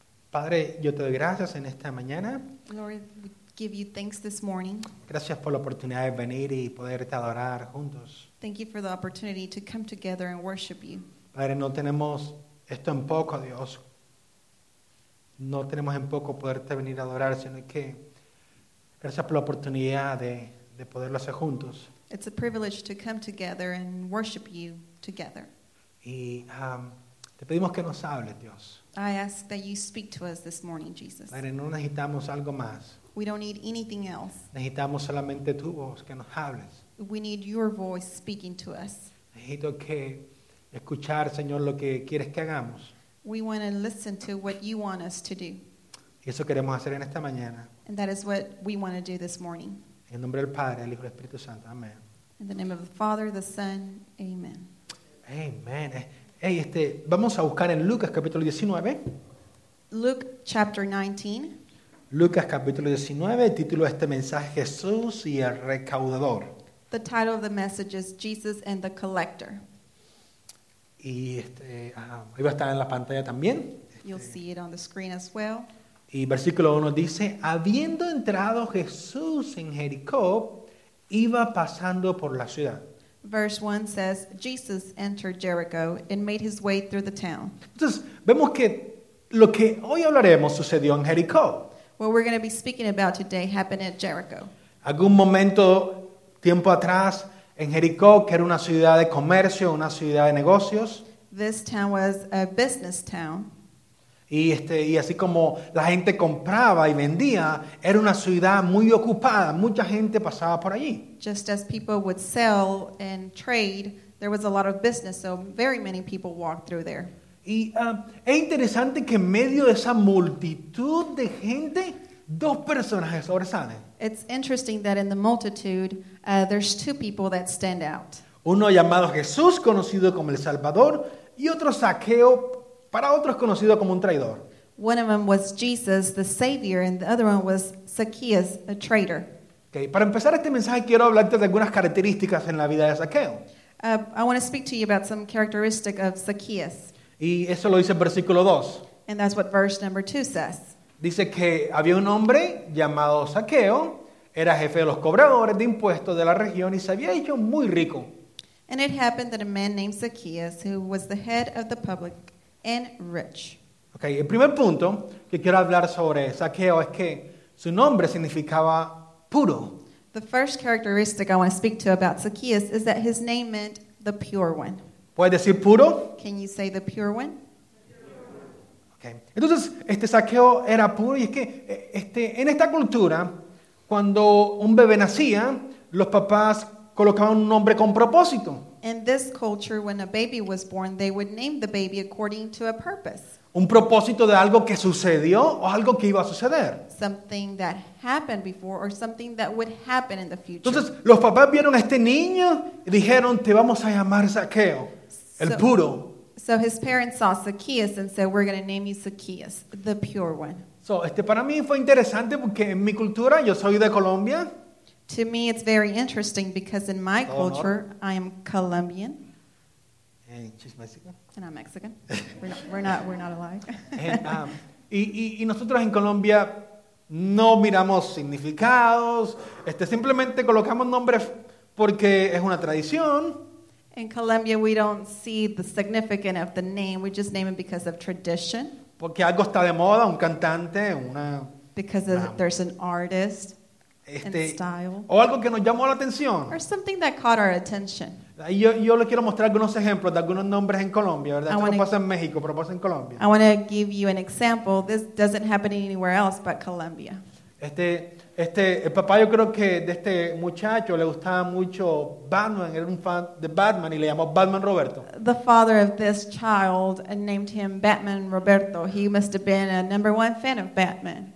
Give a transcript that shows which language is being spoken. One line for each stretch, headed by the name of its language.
Spanish: Padre, yo te doy gracias en esta mañana.
English: Lord, give you thanks this morning.
Spanish: Gracias por la oportunidad de venir y poder adorar juntos.
English: Thank you for the opportunity to come together and worship you.
Spanish: Padre, no tenemos esto en poco, Dios. No tenemos en poco poderte venir a adorar, sino que gracias por la oportunidad de poderlo hacer juntos.
English: It's a privilege to come together and worship you together.
Spanish: Y te pedimos que nos hables, Dios.
English: I ask that you speak to us this morning, Jesus.
Spanish: Padre, no necesitamos algo más.
English: We don't need anything else.
Spanish: Necesitamos solamente tu voz, que nos hables.
English: We need your voice speaking to us.
Spanish: Necesito que escuchar, Señor, lo que quieres que hagamos.
English: We want to listen to what you want us to do.
Spanish: Y eso queremos hacer en esta mañana.
English: And that is what we want to do this morning.
Spanish: En nombre del Padre, el Hijo y el Espíritu Santo. Amén.
English: In the name of the Father, the Son. Amen.
Spanish: Amen. Hey, vamos a buscar en Lucas capítulo 19.
English: Luke chapter 19.
Spanish: Lucas capítulo 19, título de este mensaje, Jesús y el recaudador.
English: The title of the message is Jesus and the Collector.
Spanish: Y iba a estar en la pantalla también.
English: You'll see it on the screen as well.
Spanish: Y versículo 1 dice, habiendo entrado Jesús en Jericó, iba pasando por la ciudad.
English: Verse 1 says, Jesus entered Jericho and made his way through the town.
Spanish: Entonces, vemos que lo que hoy hablaremos sucedió en Jericó.
English: What we're going to be speaking about today happened at Jericho.
Spanish: Algún momento, tiempo atrás, en Jericó, que era una ciudad de comercio, una ciudad de negocios.
English: This town was a business town.
Spanish: Y así como la gente compraba y vendía, era una ciudad muy ocupada. Mucha gente pasaba por allí.
English: Just as people would sell and trade, there was a lot of business, so very many people walked through there.
Spanish: Y es interesante que en medio de esa multitud de gente, dos personas sobresalen.
English: It's interesting that in the multitude, there's two people that stand out.
Spanish: Uno llamado Jesús, conocido como el Salvador, y otro Zaqueo, para otros conocido como un traidor.
English: One of them was Jesus, the Savior, and the other one was Zacchaeus, a traitor.
Spanish: Okay, para empezar este mensaje, quiero hablarte de algunas características en la vida de Zaqueo.
English: I want to speak to you about some characteristic of Zacchaeus.
Spanish: Y eso lo dice el versículo 2.
English: And that's what verse number 2 says.
Spanish: Dice que había un hombre llamado Zaqueo, era jefe de los cobradores de impuestos de la región y se había hecho muy rico.
English: And it happened that a man named Zacchaeus, who was the head of the public and rich.
Spanish: Okay, el primer punto que quiero hablar sobre Zaqueo es que su nombre significaba puro.
English: The first characteristic I want to speak to about Zacchaeus is that his name meant the pure one.
Spanish: ¿Puedes decir puro?
English: Can you say the pure one? Okay.
Spanish: Entonces, Zaqueo era puro. Y es que en esta cultura, cuando un bebé nacía, los papás colocaban un nombre con propósito.
English: In this culture, when a baby was born, they would name the baby according to a purpose.
Spanish: Un propósito de algo que sucedió o algo que iba a suceder.
English: Something that happened before or something that would happen in the future.
Spanish: Entonces, los papás vieron a este niño y dijeron, te vamos a llamar Zaqueo, el puro.
English: So his parents saw Zacchaeus and said, we're going to name you Zacchaeus, the pure one.
Spanish: So, para mí fue interesante porque en mi cultura, yo soy de Colombia.
English: To me, it's very interesting because in my culture, I am Colombian. And she's Mexican. And I'm Mexican. We're not alike.
Spanish: y nosotros en Colombia no miramos significados. Simplemente colocamos nombres porque es una tradición.
English: In Colombia, we don't see the significance of the name. We just name it because of tradition.
Spanish: Porque algo está de moda, un cantante, una...
English: Because there's an artist.
Spanish: O algo que nos llamó la atención.
English: Or something that caught our attention.
Spanish: Yo le quiero mostrar algunos ejemplos de algunos nombres en Colombia, ¿verdad? Esto no pasa en México, pero pasa en Colombia.
English: I want to give you an example. This doesn't happen anywhere else but Colombia.
Spanish: El papá, yo creo que de este muchacho le gustaba mucho Batman. Era un fan de Batman y le llamó Batman Roberto.
English: The father of this child named him Batman Roberto. He must have been a number one fan of Batman.